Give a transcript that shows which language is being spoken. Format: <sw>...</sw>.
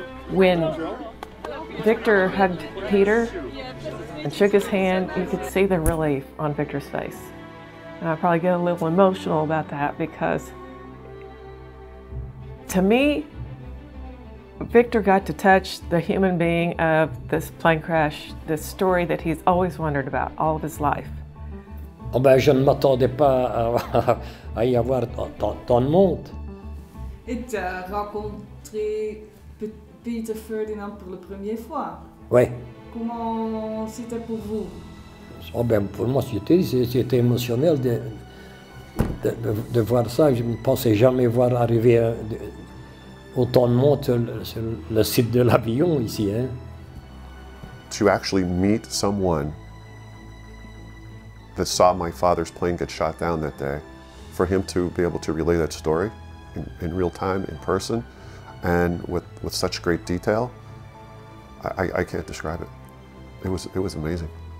<en>When Victor hugged Peter and shook his hand, you could see the relief on Victor's face. And I probably get a little emotional about that because, to me, Victor got to touch the human being of this plane crash, this story that he's always wondered about all of his life.</en> <fr>Oh, ben, je ne m'attendais pas à y avoir tant de monde. Et tu as rencontré Peter Ferdinand pour la première fois. Oui. Comment c'était pour vous? Oh ben pour moi, c'était émotionnel de voir ça. Je ne pensais jamais voir arriver autant de monde sur le site de l'avion ici. Hein.</fr> <en>To actually meet someone that saw my father's plane get shot down that day, for him to be able to relay that story, in real time, in person, and with such great detail, I can't describe it. It was amazing.</en>